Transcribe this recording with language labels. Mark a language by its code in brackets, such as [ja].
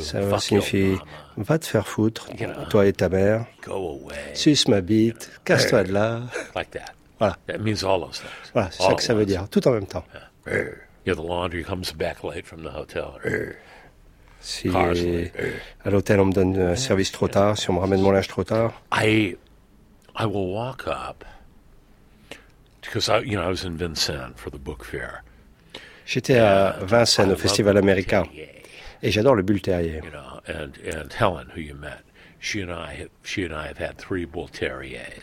[fr] Ça signifie va te faire foutre, toi et ta mère. [en] Go away. [fr] Suce ma bite, casse-toi de là. [en] Like that. [fr] Voilà. [en] That means all those things. [fr] Voilà, c'est ça que ça veut dire, tout en même temps. [en] Yeah, the laundry comes back late from the hotel. [fr] Si à l'hôtel on me donne un service trop tard, si on me ramène mon linge trop tard. [en] I will walk up because I was in Vincennes for the book fair. [fr] J'étais à Vincennes au festival américain. Et j'adore le bull terrier. [en] You know, and Helen, who you met, she and I have had three bull terriers.